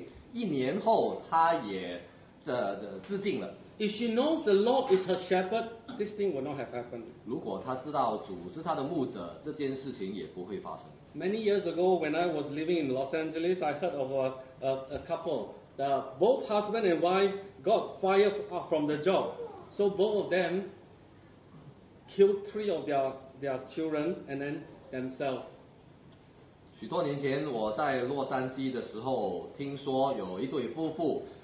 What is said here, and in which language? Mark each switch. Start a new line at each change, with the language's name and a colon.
Chinese: 一年过后，这一个寡妇，我们称她为希尔顿寡妇，因着她不能够接受丈夫在新婚当夜坠楼的这件事情，一年后她也 自尽了。
English: If she knows the Lord is her shepherd, this thing will not have happened.
Chinese: 如果他知道主是他的牧者，这件事情也不会发生。
English: Many years ago, when I was living in Los Angeles, I heard of a couple. The both husband and wife got fired from the job, so both of them killed three of their children and then themselves.
Chinese: 许多年前我在洛杉矶的时候，听说有一对夫妇。